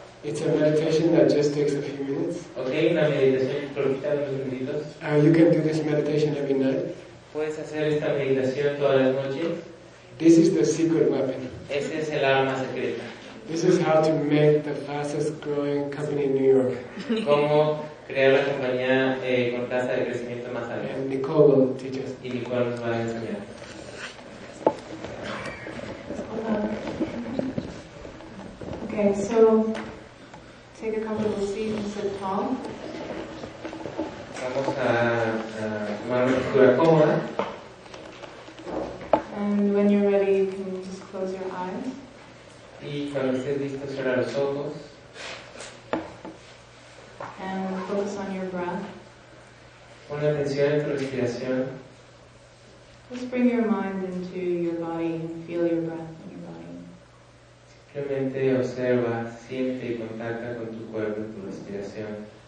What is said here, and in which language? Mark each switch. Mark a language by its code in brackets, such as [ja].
[en] It's a meditation that just takes a few minutes. [es] Okay, una meditación cortita de unos [en] minutitos. You can do this meditation every night. [es] Puedes hacer esta meditación todas las noches. [en] This is the secret weapon. [es] Este es el arma secreta. [en] This is how to make the fastest growing company in New York. [es] Cómo crear la compañía con tasa de crecimiento más alta. [en] And Nicole will teach us. [es] Y Nicole nos va a enseñar. [en] Okay, so take a comfortable seat and sit tall. [es] Vamos a tomar una postura cómoda. [en] And when you're ready, you can just close your eyes. [es] Y cuando estés listo, cierra los ojos. [en] And focus on your breath. [es] Pon atención en tu respiración. [en] Just bring your mind into your body and feel your breath in your body. [es] Simplemente observa, siente y contacta con tu cuerpo y tu respiración.